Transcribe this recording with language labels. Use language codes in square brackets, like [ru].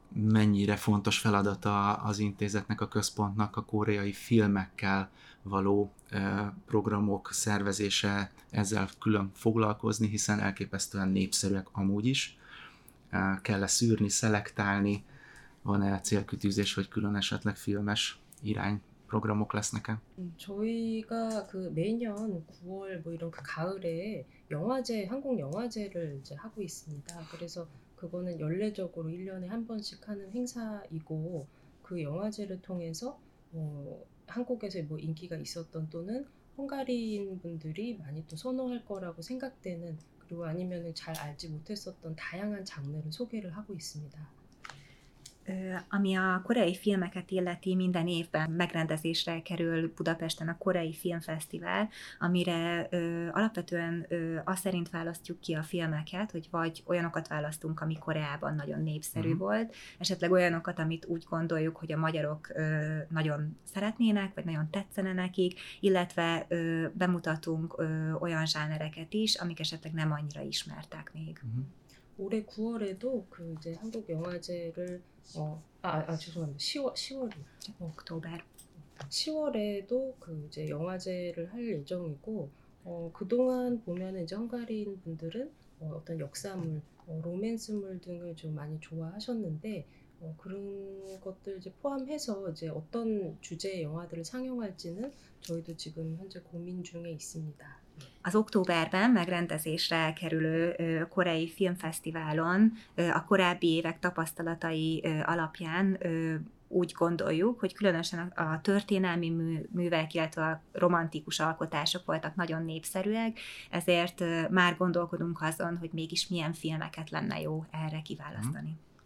[hu] Mennyire fontos feladata az intézetnek, a központnak a koreai filmekkel való programok szervezése, ezzel külön foglalkozni, hiszen elképesztően népszerűek amúgy is. Kell-e szűrni, szelektálni? Van-e célkütűzés, hogy külön esetleg filmes irány programok lesznek-e? [ko] 저희가 그 매년 9월 뭐 이런 그 가을에 영화제, 한국 영화제를 이제 하고 있습니다. 그래서 그거는 연례적으로 1년에 한 번씩 하는 행사이고 그 영화제를 통해서 한국에서 뭐 인기가 있었던 또는 헝가리인 분들이 많이 또 선호할 거라고 생각되는 그리고 아니면은 잘 알지 못했었던 다양한 장르를 소개를 하고 있습니다. [hu] Ami a koreai filmeket illeti, minden évben megrendezésre kerül Budapesten a Koreai Filmfesztivál, amire alapvetően az szerint választjuk ki a filmeket, hogy vagy olyanokat választunk, ami Koreában nagyon népszerű volt, esetleg olyanokat, amit úgy gondoljuk, hogy a magyarok nagyon szeretnének, vagy nagyon tetszene nekik, illetve bemutatunk olyan zsánereket is, amik esetleg nem annyira ismertek még. Olyan [ko] 9월에도 그 이제 한국 영화제를 10월에도 그 이제 영화제를 할 예정이고 그동안 보면은 이제 헝가리인 분들은 어떤 역사물, 로맨스물 등을 좀 많이 좋아하셨는데 그런 것들 이제 포함해서 이제 어떤 주제의 영화들을 상영할지는 저희도 지금 현재 고민 중에 있습니다. [hu] Az októberben megrendezésre kerülő koreai filmfesztiválon a korábbi évek tapasztalatai alapján úgy gondoljuk, hogy különösen a történelmi művek, illetve a romantikus alkotások voltak nagyon népszerűek, ezért már gondolkodunk azon, hogy mégis milyen filmeket lenne jó erre kiválasztani.